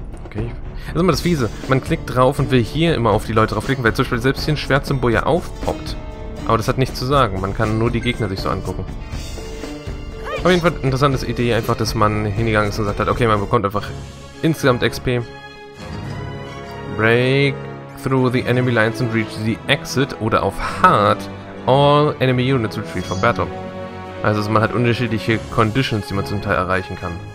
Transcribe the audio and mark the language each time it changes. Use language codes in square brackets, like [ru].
[de] Das ist immer das Fiese. Man klickt drauf und will hier immer auf die Leute draufklicken, weil zum Beispiel selbst hier ein Schwertsymbol ja aufpoppt. Aber das hat nichts zu sagen. Man kann nur die Gegner sich so angucken. Auf jeden Fall eine interessante Idee, einfach, dass man hingegangen ist und gesagt hat, okay, man bekommt einfach insgesamt XP. [en] Break through the enemy lines and reach the exit. [de] Oder auf [en] hard, all enemy units retreat from battle. [de] Also man hat unterschiedliche Conditions, die man zum Teil erreichen kann.